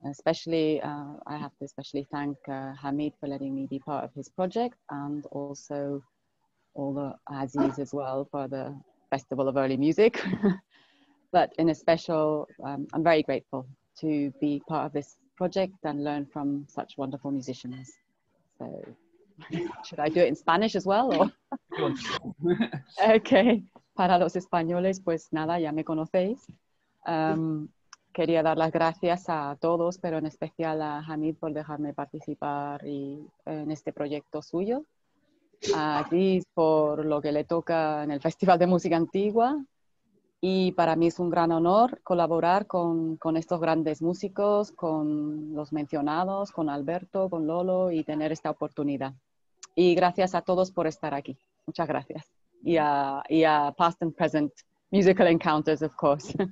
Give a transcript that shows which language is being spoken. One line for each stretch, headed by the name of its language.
English: Especially, I have to especially thank Hamid for letting me be part of his project, and also all the Aziz as well for the Festival of Early Music. But in a special, I'm very grateful to be part of this project and learn from such wonderful musicians. So, should I do it in Spanish as well? Or? Okay.
Spanish: Para los españoles, pues nada, ya me conocéis. Quería dar las gracias a todos, pero en especial a Hamid por dejarme participar y, en este proyecto suyo. A Aziz por lo que le toca en el Festival de Música Antigua. Y para mí es un gran honor colaborar con estos grandes músicos, con los mencionados, con Alberto, con Lolo, y tener esta oportunidad. Y gracias a todos por estar aquí. Muchas gracias. Y a
English: past and present musical encounters, of course.